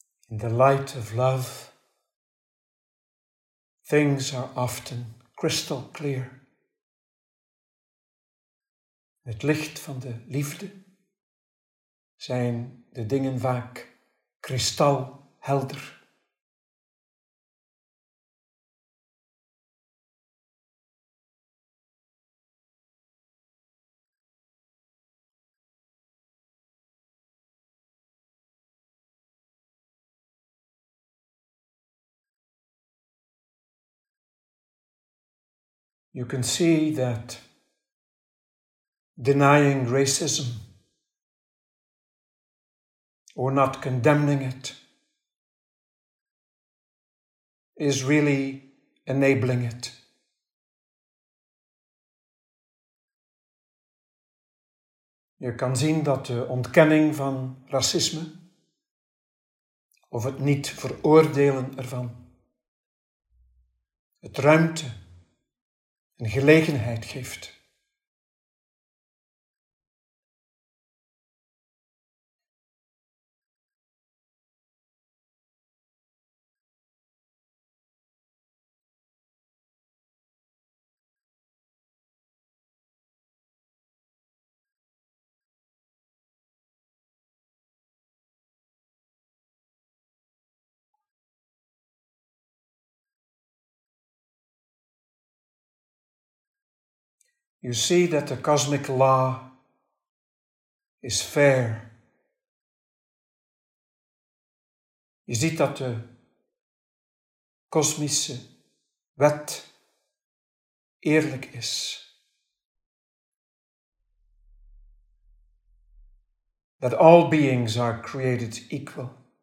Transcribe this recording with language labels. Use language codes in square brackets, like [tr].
[en] In the light of love, things are often crystal clear. [nl] In het licht van de liefde zijn de dingen vaak kristalhelder. [en] You can see that denying racism or not condemning it is really enabling it. [nl] Je kan zien dat de ontkenning van racisme of het niet veroordelen ervan het ruimte een gelegenheid geeft. [en] You see that the cosmic law is fair. [nl] Je ziet dat de kosmische wet eerlijk is. [en] That all beings are created equal.